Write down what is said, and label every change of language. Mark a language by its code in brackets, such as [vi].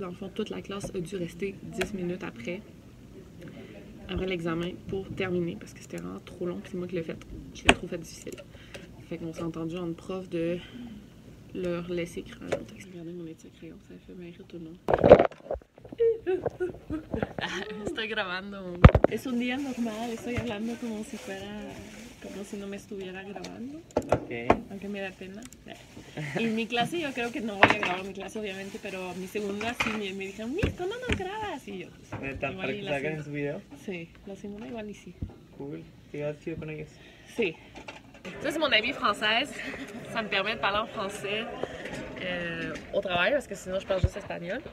[fr] Dans le fond, toute la classe a dû rester 10 minutes après l'examen pour terminer parce que c'était vraiment trop long, puis c'est moi qui l'ai fait. Je l'ai trouvé difficile. Fait qu'on s'est entendu en prof de leur laisser écrire un texte. Regardez mon petit crayon, ça fait rire tout le monde. [es] Estoy grabando. Es un día normal, estoy hablando como si fuera como si no me estuviera grabando. Okay. Aunque me da pena. Y mi clase, yo creo que no voy a grabar mi clase, obviamente, pero mi segunda sí me dijeron, mis, ¿cómo no grabas? Y yo. ¿Están para que salgan en su video? Sí, la segunda igual y sí. Cool. ¿Te vas chido con ellos? Sí. [fr] Ça, c'est mon amie française. Ça me permet de parler en français au travail parce que sinon je parle juste espagnol.